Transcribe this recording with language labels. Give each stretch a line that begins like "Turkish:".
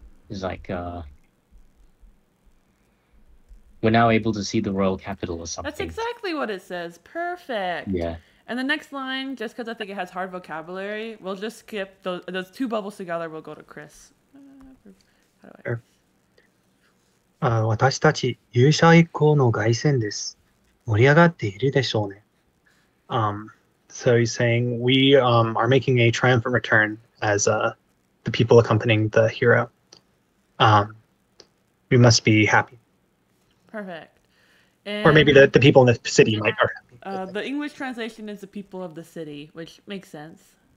English: It's like we're now able to see the royal capital or That's something. exactly what it says. Perfect. Yeah. And the next line, just because I think it has hard vocabulary, we'll just skip those two bubbles together. We'll go to Chris. How do I?
Japanese: 私たち勇者一行の凱旋です。盛り上がっているでしょうね。
English: So he's saying we are making a triumphant return as the people accompanying the hero. We must be happy. Perfect. Or maybe And the people in the city yeah, might are happy with the English translation is the people of the city, which makes sense.